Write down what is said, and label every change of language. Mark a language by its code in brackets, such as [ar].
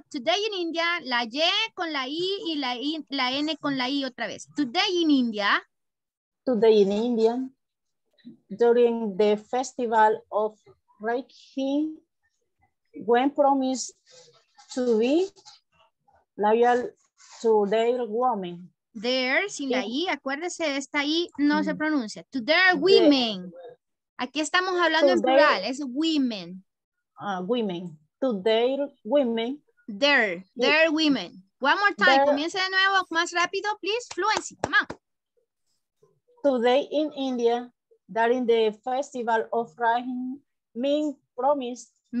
[en] Today in India, [es] la Y con la I y la N con la I otra vez. [en] Today in India. Today in India. During the festival of Reiki, Gwen promised to be loyal to their woman. [es] There, sin la I, acuérdese de esta I, no se pronuncia. [en] To their women. [es] Aquí estamos hablando en plural, es women. [en] Women. To their women. Their women. One more time, [es] comience de nuevo, más rápido, please. [en] Fluency, come on. Today in India, during the festival of Rahim, men promised